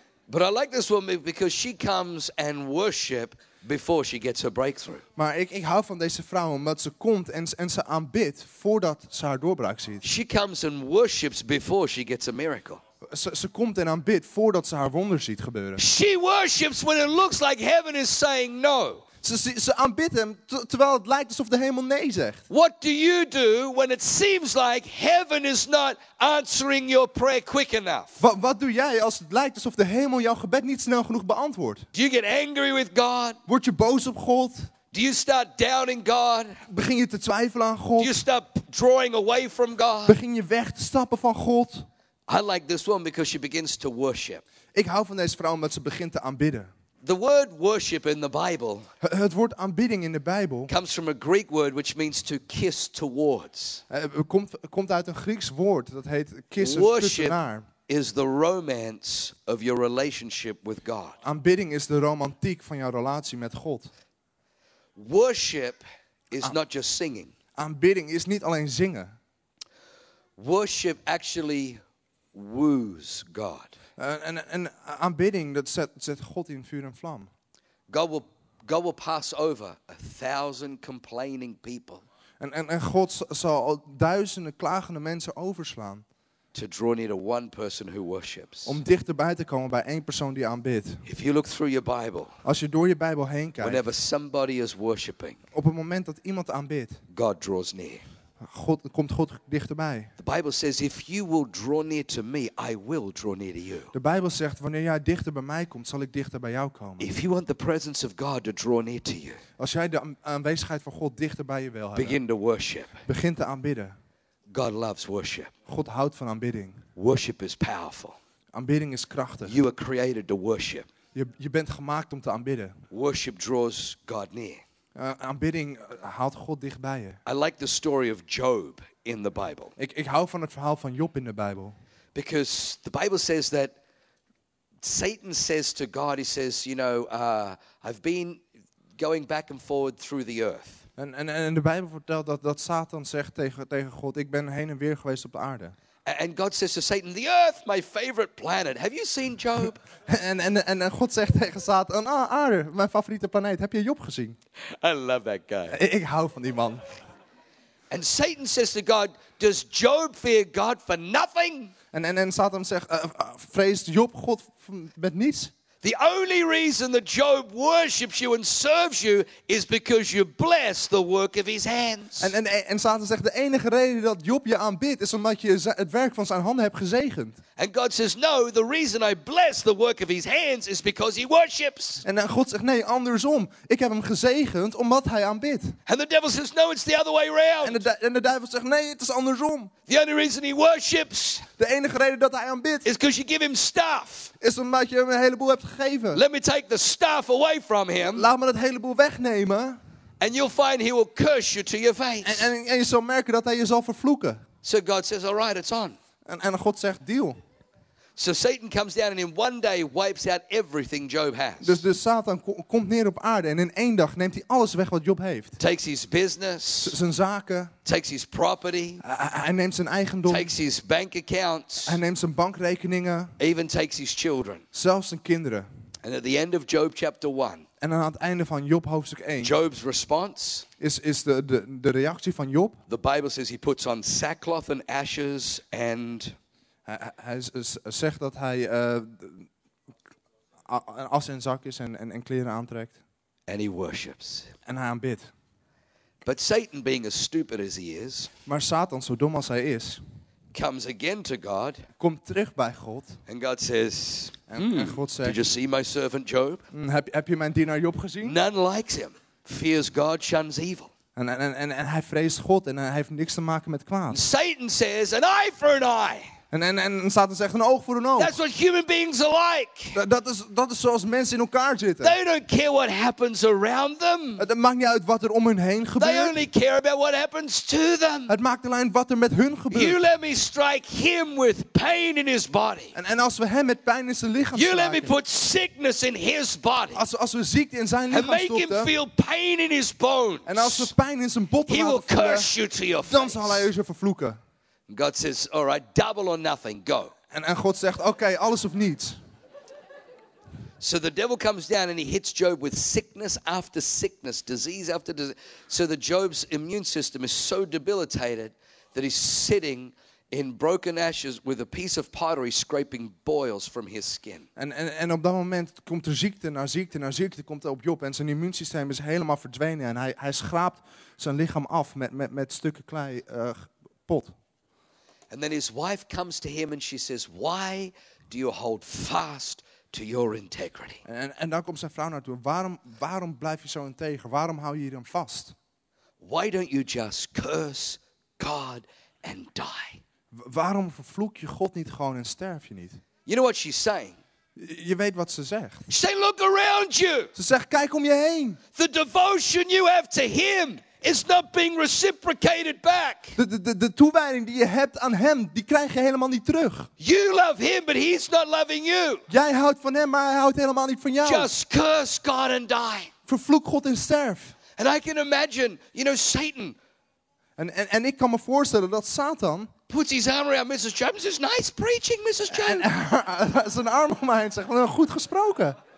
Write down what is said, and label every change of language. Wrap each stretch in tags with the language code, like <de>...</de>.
<en>But I like this woman because she comes and worship. Before she gets her breakthrough.</en> <nl>Maar ik hou van deze vrouw omdat ze komt en ze aanbidt voordat ze haar doorbraak ziet.</nl> <en>She comes and worships before she gets a miracle.</en> <nl>Ze komt en aanbidt voordat ze haar wonder ziet gebeuren.</nl> <en>She worships when it looks like heaven is saying no.</en> <nl>Ze aanbidt hem terwijl het lijkt alsof de hemel nee zegt.</nl> <en>What do you do when it seems like heaven is not answering your prayer quick enough?</en> <nl>Wat doe jij als het lijkt alsof de hemel jouw gebed niet snel genoeg beantwoordt?</nl> <en>Do you get angry with God?</en> <nl>Word je boos op God?</nl> <en>Do you start doubting God?</en> <nl>Begin je te twijfelen aan God?</nl> <en>Do you start drawing away from God?</en> <nl>Begin je weg te stappen van God?</nl> <en>I like this one because she begins to worship.</en> <nl>Ik hou van deze vrouw omdat ze begint te aanbidden.</nl> <en>The word worship in the Bible.</en> <nl>Het woord aanbidding in de Bijbel.</nl> <en>Comes from a Greek word which means to kiss towards.</en> <nl>Komt uit een Grieks woord dat heet kissen.</nl> <en>Worship is the romance of your relationship with God.</en> <nl>Aanbidding is de romantiek van jouw relatie met God.</nl> <en>Worship is not just singing.</en> <nl>Aanbidding is niet alleen zingen.</nl> <en>Worship actually woos God.</en> <nl>En aanbidding dat zet God in vuur en vlam.</nl> <en>God will pass over 1,000 complaining people.</en> <nl>En God zal duizenden klagende mensen overslaan.</nl> <en>To draw near to one person who worships.</en> <nl>Om dichterbij te komen bij één persoon die aanbidt.</nl> <en>If you look through your Bible.</en> <nl>Als je door je Bijbel heen kijkt.</nl> <en>Whenever somebody is worshiping.</en> <nl>Op het moment dat iemand aanbidt.</nl> <en>God draws near.</en> <nl>God komt God dichterbij.</nl> <en>The Bible says, if you will draw near to me, I will draw near to you.</en> <nl>De Bijbel zegt, wanneer jij dichter bij mij komt, zal ik dichter bij jou komen.</nl> <en>If you want the presence of God to draw near to you.</en> <nl>Als jij de aanwezigheid van God dichter bij je wil hebben.</nl> <en>Begin to worship.</en> <nl>Begin te aanbidden.</nl> <en>God loves worship.</en> <nl>God houdt van aanbidding.</nl> <en>Worship is powerful.</en> <nl>Aanbidding is krachtig.</nl> <en>You are created to worship.</en> <nl>Je bent gemaakt om te aanbidden.</nl> <en>Worship draws God near.</en> <nl>Aanbidding haalt God dichtbij je.</nl> <en>I like the story of Job in the Bible.</en> <nl>Ik hou van het verhaal van Job in de Bijbel.</nl> <en>Because the Bible says that Satan says to God, he says, you know, I've been going back and forward through the earth.</en> <nl>En de Bijbel vertelt dat Satan zegt tegen God, ik ben heen en weer geweest op de aarde.</nl> <en>And God says to Satan, the earth, my favorite planet. Have you seen Job?</en> <nl>En God zegt tegen Satan, ah, aarde, mijn favoriete planeet. Heb je Job gezien?</nl> <en>I love that guy.</en> <nl>Ik hou van die man.</nl> <en>And Satan says to God, does Job fear God for nothing?</en> <nl>En Satan zegt, vreest Job God met niets?</nl> <en>The only reason that Job worships you and serves you is because you bless the work of his hands.</en> <nl>En Satan zegt de enige reden dat Job je aanbidt is omdat je het werk van zijn handen hebt gezegend.</nl> <en>And God says no, the reason I bless the work of his hands is because he worships.</en> <nl>En God zegt nee, andersom. Ik heb hem gezegend omdat hij aanbidt.</nl> <en>And the devil says no, it's the other way around.</en> <nl>En de duivel zegt nee, het is andersom.</nl> <en>The only reason he worships.</en> <nl>De enige reden dat hij aanbidt</nl> <en>is because you give him stuff.</en> <nl>Is omdat je hem een heleboel hebt gegeven.</nl> <en>Let me take the stuff away from him.</en> <nl>Laat me dat heleboel wegnemen.</nl> <en>And you'll find he will curse you to your face.</en> <nl>En je zal merken dat hij je zal vervloeken.</nl> <en>So God says, all right, it's on.</en> <nl>En God zegt, deal.</nl> <en>So Satan comes down and in one day wipes out everything Job has.</en> <nl>Dus Satan komt neer op aarde en in één dag neemt hij alles weg wat Job heeft.</nl> <en>Takes his business.</en> <nl>Zijn zaken.</nl> <en>Takes his property.</en> <nl>Hij neemt zijn eigendom.</nl> <en>Takes his bank accounts.</en> <nl>Hij neemt zijn bankrekeningen.</nl> <en>Even takes his children.</en> <nl>Zelfs zijn kinderen.</nl> <en>And at the end of Job chapter 1.</en> <nl>En aan het einde van Job hoofdstuk 1.</nl> <en>Job's response.</en> <nl>Is de reactie van Job.</nl> <en>The Bible says he puts on sackcloth and ashes and...</en> <nl>Hij zegt dat hij een as in zak is en kleren aantrekt.</nl> <en>And he worships.</en> <nl>En hij aanbidt.</nl> <en>But Satan, being as stupid as he is,</en> <nl>maar Satan, zo dom als hij is,</nl> <en>comes again to God,</en> <nl>komt terug bij God.</nl> <en>And God says,</en> <nl>en God zegt,</nl> <en>did you see my servant Job?</en> <nl>Heb je mijn dienaar Job gezien?</nl> <en>None likes him, fears God, shuns evil.</en> <nl>En hij vreest God en hij heeft niks te maken met kwaad.</nl> <en>Satan says, an eye for an eye.</en> <nl>En Satan zegt een oog voor een oog.</nl> <en>That's what human beings are like.</en> <nl>Dat is zoals mensen in elkaar zitten.</nl> <en>They don't care what happens around them.</en> <nl>Het maakt niet uit wat er om hun heen gebeurt.</nl> <en>They only care about what happens to them.</en> <nl>Het maakt alleen uit wat er met hun gebeurt.</nl> <en>You let me strike him with pain in his body.</en> <nl>En als we hem met pijn in zijn lichaam</nl> <en>you</en> <nl>strijken.</nl> <en>Let me put sickness in his body.</en> <nl>Als we ziekte in zijn lichaam</nl> <en>and make</en> <nl>stopten.</nl> <en>Him feel pain in his bones.</en> <nl>En als we pijn in zijn botten</nl> <en>he</en> <nl>laten</nl> <en>will</en> <nl>voeren,</nl> <en>curse you to your face.</en> <nl>Dan zal hij je vervloeken.</nl> <en>God says, all right, double or nothing, go.</en> <nl>En God zegt, okay, alles of niets.</nl> <en>So the devil comes down and he hits Job with sickness after sickness, disease after disease. So that Job's immune system is so debilitated that he's sitting in broken ashes with a piece of pottery scraping boils from his skin.</en> <nl>En op dat moment komt er ziekte naar ziekte naar ziekte komt er op Job en zijn immuunsysteem is helemaal verdwenen en hij schraapt zijn lichaam af met stukken klei pot.</nl> <en>And then his wife comes to him and she says, why do you hold fast to your integrity?</en> <nl>En dan komt zijn vrouw naartoe. Waarom blijf je zo integer? Waarom hou je je dan vast?</nl> <en>Why don't you just curse God and die?</en> <nl>Waarom vervloek je God niet gewoon en sterf je niet?</nl> <en>You know what she's saying?</en> <nl>Je weet wat ze zegt.</nl> <en>She's saying, look around you.</en> <nl>Ze zegt, kijk om je heen.</nl> <en>The devotion you have to him. It's not being reciprocated back.</en> <nl>De toewijding die je hebt aan hem, die krijg je helemaal niet terug.</nl> <en>You love him, but he's not loving you.</en> <nl>Jij houdt van hem, maar hij houdt helemaal niet van jou.</nl> <en>Just curse God and die.</en> <nl>Vervloek God en sterf.</nl> <en>And I can imagine, you know, Satan.</en> <nl>En ik kan me voorstellen dat Satan</nl> <en>puts his arm around Mrs. Jones. It's nice preaching, Mrs. Jones.</en> <nl>Zijn arm om mij en zegt, wat een goed gesproken.</nl>